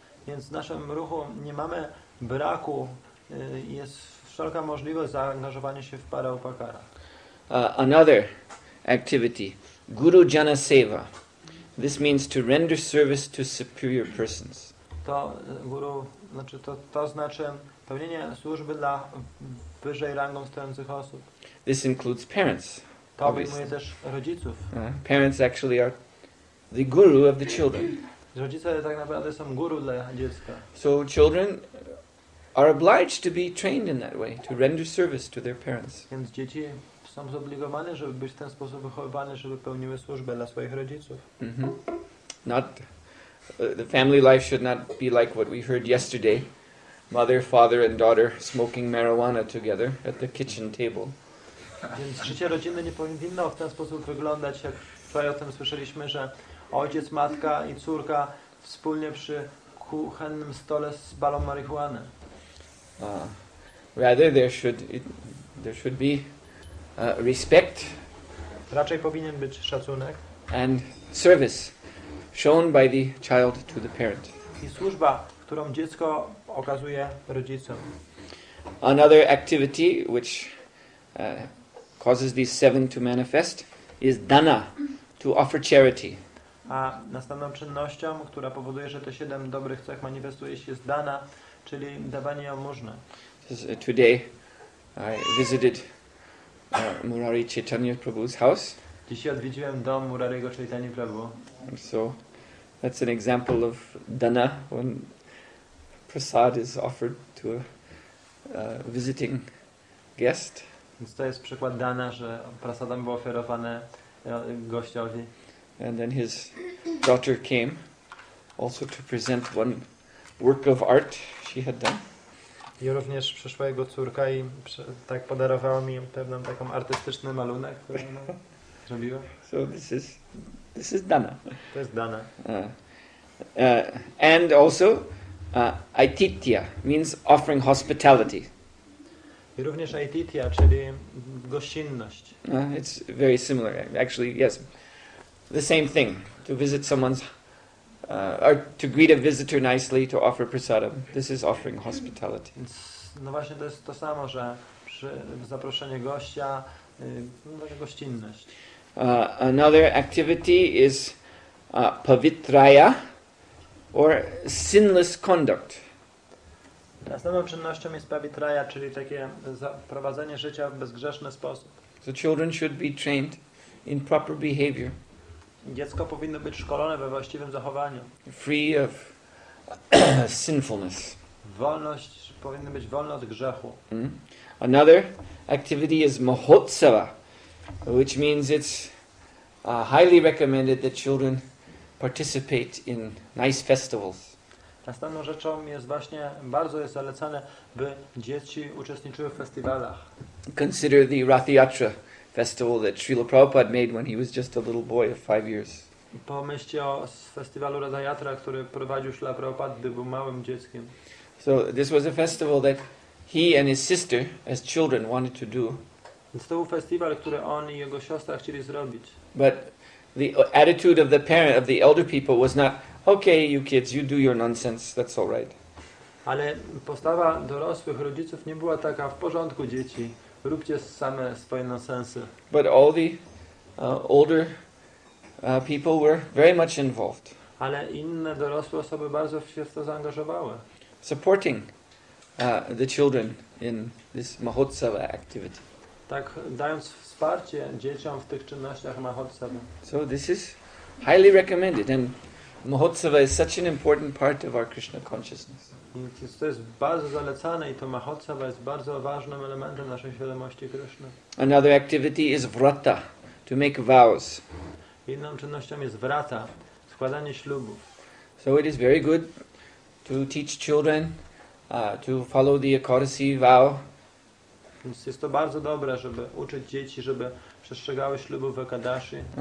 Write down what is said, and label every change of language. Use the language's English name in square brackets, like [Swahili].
[Polish] Więc w naszym ruchu nie mamy braku, jest wszelka możliwość zaangażowania się w paropakara. [English] Another activity, guru jana seva. This means to render service to superior persons. [Polish] To guru, znaczy to znaczy pełnienie służby dla wyżej rangą stojących osób. [English] This includes parents. [Polish] To obejmuje też rodziców. [English] Parents actually are the guru of the children. [Polish] Rodzice tak naprawdę są guru dla dziecka. [English] So children are obliged to be trained in that way, to render service to their parents. [Polish] Więc dzieci są zobligowane, żeby być w ten sposób wychowywane, żeby pełniły służbę dla swoich rodziców. Mm-hmm. [English] Not the family life should not be like what we heard yesterday. Mother, father and daughter smoking marijuana together at the kitchen table. [Polish] Więc życie rodziny nie powinno w ten sposób wyglądać, jak wczoraj o tym słyszeliśmy, że ojciec, matka i córka wspólnie przy kuchennym stole z balą marihuany. [English] Rather there should be respect. [Polish] Raczej powinien być szacunek. [English] And service shown by the child to the parent. [Polish] I służba, którą dziecko okazuje rodzicom. [English] Another activity which causes these seven to manifest is dana, to offer charity. [Polish] A następną czynnością, która powoduje, że te siedem dobrych cech manifestuje się, jest dana, czyli dawanie jałmużny. [English] Today I visited Murari Chaitanya Prabhu's house. [Polish] Dzisiaj odwiedziłem dom Murariego Chaitanya Prabhu. [English] So that's an example of dana, when prasad is offered to a visiting guest. [Polish] Więc to jest przykład dana, że prasadam było oferowane gościowi. [English] And then his daughter came also to present one work of art she had done. [Polish] I również przyszła jego córka i tak podarowała mi pewną taką artystyczny malunek, który zrobiła. [English] So this is dana. [Polish] To jest dana. [English] And also aititya means offering hospitality. [Polish] I również aititya, czyli gościnność. [English] It's very similar. Actually, yes. The same thing, to visit someone's or to greet a visitor nicely, to offer prasadam. This is offering hospitality. [Polish] No właśnie, to jest to samo, że zaproszenie gościa, gościnność. [English] Another activity is pavitraya, or sinless conduct. [Polish] Następną czynnością jest pavitraya, czyli takie prowadzenie życia w bezgrzeszny sposób. [English] So children should be trained in proper behavior. [Polish] Dziecko powinno być szkolone we właściwym zachowaniu. [English] Free of sinfulness. [Polish] Wolność, powinno być wolno od grzechu. Mm-hmm. [English] Another activity is mahotsava, which means it's highly recommended that children participate in nice festivals. [Polish] Następną rzeczą jest właśnie, bardzo jest zalecane, by dzieci uczestniczyły w festiwalach. [English] Consider the Rathiyatra festival that Srila Prabhupada made when he was just a little boy of 5 years. [Polish] Pomyślcie o festiwalu Radhayatra, który prowadził Srila Prabhupada, gdy był małym dzieckiem. [English] So this was a festival that he and his sister, as children, wanted to do. [Polish] Więc to był festiwal, który on i jego siostra chcieli zrobić. [English] But the attitude of the parent, of the elder people, was not, okay, you kids, you do your nonsense, that's all right. [Polish] Ale postawa dorosłych rodziców nie była taka, w porządku, dzieci. Róbcie same swoje nonsensy. [English] But all the older people were very much involved. [Polish] Ale inne dorosłe osoby bardzo się w to zaangażowały. [English] Supporting the children in this mahotsava activity. [Polish] Tak, dając wsparcie dzieciom w tych czynnościach mahotsava. [English] So this is Highly recommend it. And Mahotsava is such an important part of our Krishna consciousness. [Polish] To jest bardzo zalecane i to Mahotsava jest bardzo ważnym elementem naszej świadomości Krishna. [English] Another activity is vrata, to make vows. [Polish] Inną czynnością jest vrata, składanie ślubów. [English] So it is very good to teach children to follow the Ekadasi vow. [Polish] Więc jest to bardzo dobre, żeby uczyć dzieci, żeby przestrzegały ślubów w Ekadasi.